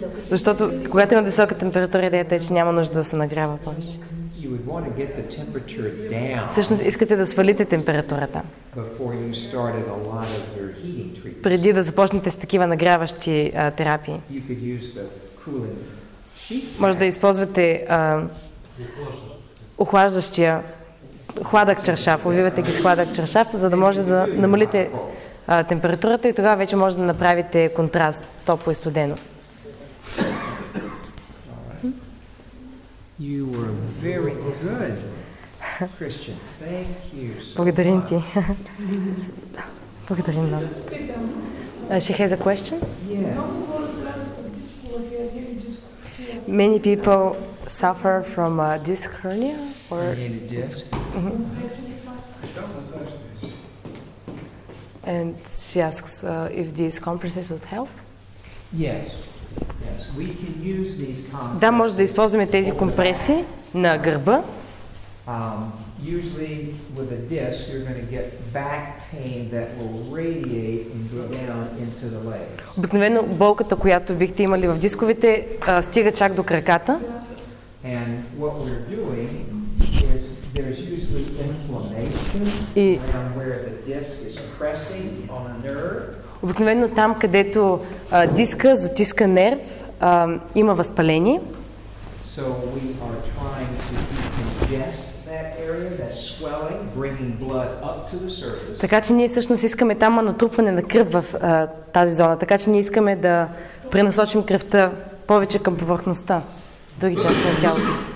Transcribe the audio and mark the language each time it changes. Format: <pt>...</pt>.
<bg>Защото когато има висока температура, идеята е, че няма нужда да се нагрява повече.</bg> <en>you would want to get the temperature down.</en> <bg>Всъщност искате да свалите температурата.</bg> <en>Before you started a lot of your heating treatments.</en> <bg>Преди да започнете с такива нагряващи терапии.</bg> <en>You could use the cooling sheet.</en> <bg>Може да използвате охлаждащия хладък чаршаф, увивате ги с хладък чаршаф, за да може да намалите температурата и тогава вече може да направите контраст топло и студено.</bg> <en>You were very good, Christian. Thank you so much.</en> <bg>Благодарим ти. Благодарим много.</bg> <en>She has a question? Yes. Many people suffer from a disc hernia or disc. And she asks if these compresses would help. Yes. Yes, we can use these compresses.</en> <bg>Да, може да използваме тези компреси на гърба.</bg> <en>Usually with a disc you're going to get back pain that will radiate and go down into the legs.</en> <bg>Обикновено болката, която бихте имали в дисковете, стига чак до краката.</bg> <en>And what we're doing is there's usually inflammation around where the disc is pressing on a nerve.</en> <bg>Обикновено там, където диска затиска нерв, има възпаление.</bg> <en>So we are trying to decongest that area, that swelling, bringing blood up to the surface.</en> <bg>Така че ние всъщност искаме там натрупване на кръв в тази зона, така че ние искаме да пренасочим кръвта повече към повърхността, други части на тялото.</bg>